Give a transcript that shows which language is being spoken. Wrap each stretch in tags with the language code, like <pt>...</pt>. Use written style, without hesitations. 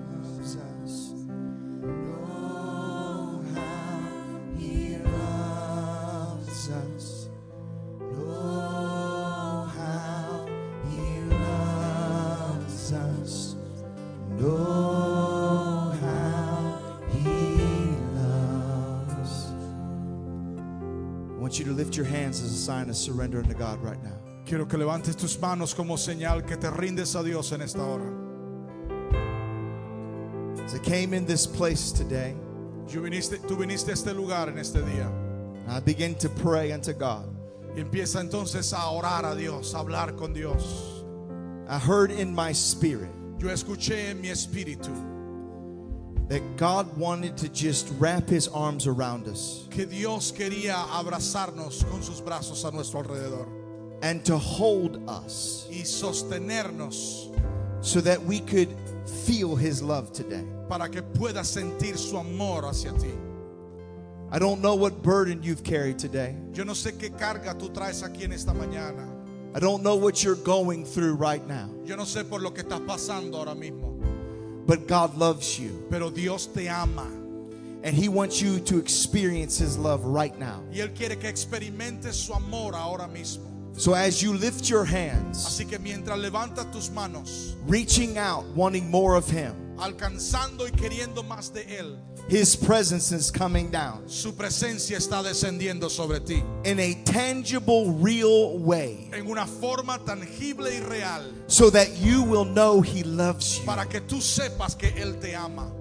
<en>I want you to lift your hands as a sign of surrendering to God right now.</en> <es>Quiero que levantes tus manos como señal que te rindes a Dios en esta hora.</es> <en>As I came in this place today,</en> <es>tú viniste a este lugar en este día.</es> <en>I begin to pray unto God.</en> <es>Empieza entonces a orar a Dios, a hablar con Dios.</es> <en>I heard in my spirit,</en> <es>yo escuché en mi espíritu,</es> <en>that God wanted to just wrap His arms around us.</en> <es>Que Dios quería abrazarnos con sus brazos a nuestro alrededor.</es> <en>And to hold us,</en> <es>y sostenernos,</es> <en>so that we could feel His love today.</en> <es>Para que puedas sentir su amor hacia ti.</es> <en>I don't know what burden you've carried today.</en> <es>Yo no sé qué carga tú traes aquí en esta mañana.</es> <en>I don't know what you're going through right now.</en> <es>Yo no sé por lo que estás pasando ahora mismo.</es> <en>But God loves you.</en> <es>Pero Dios te ama.</es> <en>And he wants you to experience his love right now.</en> <es>Y él quiere que experimentes su amor ahora mismo.</es> <en>So as you lift your hands,</en> <es>así que mientras levantas tus manos,</es> <en>reaching out, wanting more of him,</en> <es>alcanzando y queriendo más de él,</es> <en>his presence is coming down.</en> <es>Su presencia está descendiendo sobre ti.</es> <en>In a tangible, real way.</en> <es>En una forma tangible y real.</es> <en>So that you will know he loves you.</en> <es>Para que tú sepas que él te ama.</es>